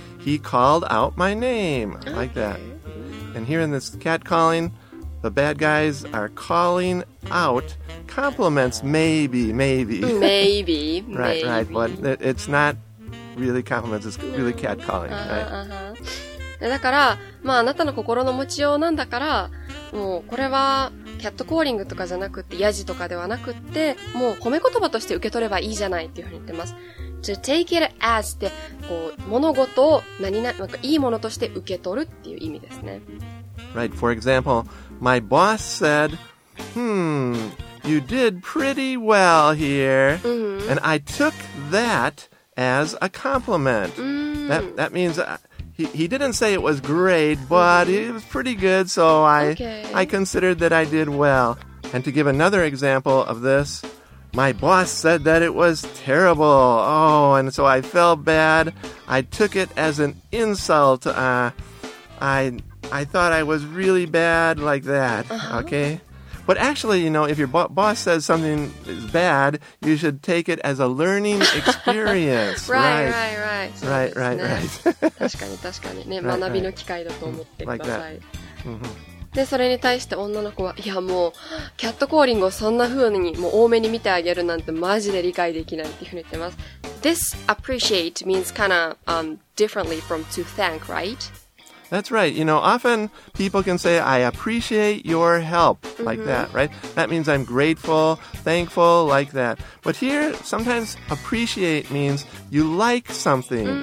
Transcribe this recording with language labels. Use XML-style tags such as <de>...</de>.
<en>He called out my name, like that. And here in this catcalling, the bad guys are calling out compliments, maybe. Maybe, right, but it's not really compliments, it's really catcalling, right?</en> <ja>だから、まあ、あなたの心の持ちようなんだから、もうこれはキャットコーリングとかじゃなくて、ヤジとかではなくて、もう褒め言葉として受け取ればいいじゃないっていうふうに言ってます。</ja> <en>to take it as</en> <ja>ってこう物事を何々なんかいいものとして受け取るっていう意味ですね。</ja> <en>Right, for example, my boss said, you did pretty well here,、 mm-hmm. and I took that as a compliment.、 Mm-hmm. That means he didn't say it was great, but、mm-hmm. it was pretty good, so I considered that I did well. And to give another example of this, my boss said that it was terrible. Oh, and so I felt bad. I took it as an insult. I thought I was really bad like that,、 uh-huh. okay? But actually, you know, if your boss says something is bad, you should take it as a learning experience. Right.</en> <ja>確かに。ね、学びの機会だと思ってください。</ja> <en>Like that. Mm-hmm.</en> <ja>で、それに対して女の子は、いやもう、キャットコーリングをそんな風にもう多めに見てあげるなんてマジで理解できないっていうふうに言ってます。</ja> <en>This appreciate means kind of、differently from to thank, right? That's right. You know, often people can say, I appreciate your help, like、mm-hmm. that, right? That means I'm grateful, thankful, like that. But here, sometimes appreciate means you like something.、</en>